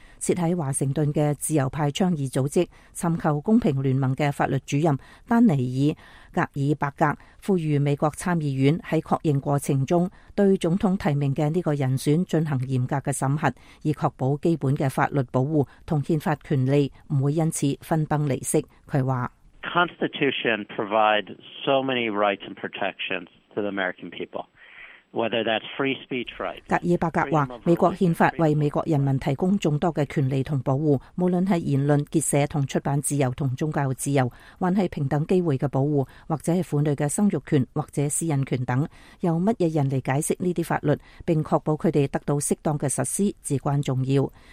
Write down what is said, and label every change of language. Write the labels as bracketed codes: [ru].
[zh] 设在华盛顿的自由派倡议组织寻求公平联盟的法律主任丹尼尔格尔伯格呼吁美国参议院在确认过程中对总统提名的这个人选进行严格的审核，以确保基本的法律保护和宪法权利不会因此分崩离析。他说 [en] Constitution provides so many rights and protections to the American people. Whether that's free speech rights, [zh] 格尔伯格说美国宪法为美国人民提供众多的权利和保护，无论是言论、结社和出版自由和宗教自由，还是平等机会的保护，或者是妇女的生育权或者私隐权等，由什么人来解释这些法律并确保他们得到适当的实施至关重要。